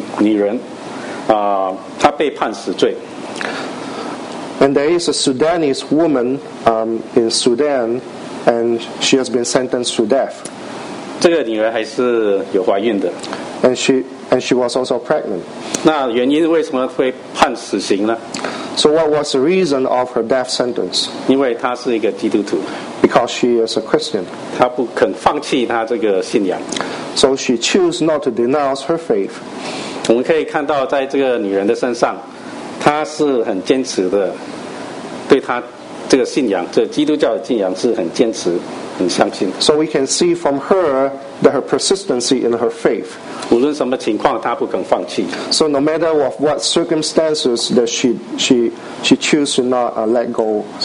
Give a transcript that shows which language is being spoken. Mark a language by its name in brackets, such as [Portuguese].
[Chinese] 苏丹这个国家里面有一个女人,她被判死罪。 [English] And there is a Sudanese woman in Sudan, and she has been sentenced to death. [Chinese] 这个女儿还是有怀孕的。 [English] And she was also pregnant. [Chinese] 那原因为什么会判死刑呢? [English] So what was the reason of her death sentence? [Chinese] 因为她是一个基督徒。 [English] Because she is a Christian. [Chinese] 她不肯放弃她这个信仰。 [English] So she chose not to denounce her faith. [Chinese] 我们可以看到在这个女人的身上, 她是很坚持的，对她这个信仰，这基督教的信仰是很坚持、很相信的。 [English] So we can see from her that her persistency in her faith. [Chinese] 无论什么情况，她不肯放弃。 [English] So no matter of what circumstances that she choose to not let go.